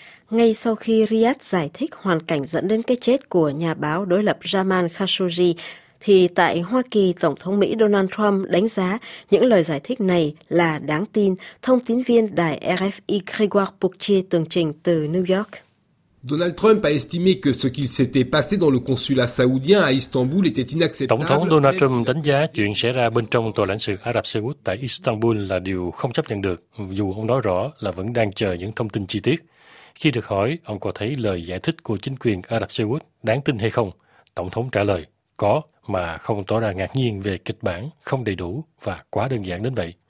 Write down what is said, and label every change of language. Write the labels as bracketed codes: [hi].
[vi] Ngay sau khi Riyadh giải thích hoàn cảnh dẫn đến cái chết của nhà báo đối lập Jamal Khashoggi, thì tại Hoa Kỳ, Tổng thống Mỹ Donald Trump đánh giá những lời giải thích này là đáng tin. Thông tín viên đài RFI Grégoire Pouchet tường trình từ New York. [fr] Donald Trump a estimé que ce qu'il s'était passé dans le consulat saoudien à Istanbul était inacceptable. [vi] Tổng thống Donald Trump đánh giá chuyện xảy ra bên trong tòa lãnh sự Ả Rập Xê Út tại Istanbul là điều không chấp nhận được, dù ông nói rõ là vẫn đang chờ những thông tin chi tiết. Khi được hỏi ông có thấy lời giải thích của chính quyền Ả Rập Xê Út đáng tin hay không, Tổng thống trả lời có, mà không tỏ ra ngạc nhiên về kịch bản không đầy đủ và quá đơn giản đến vậy.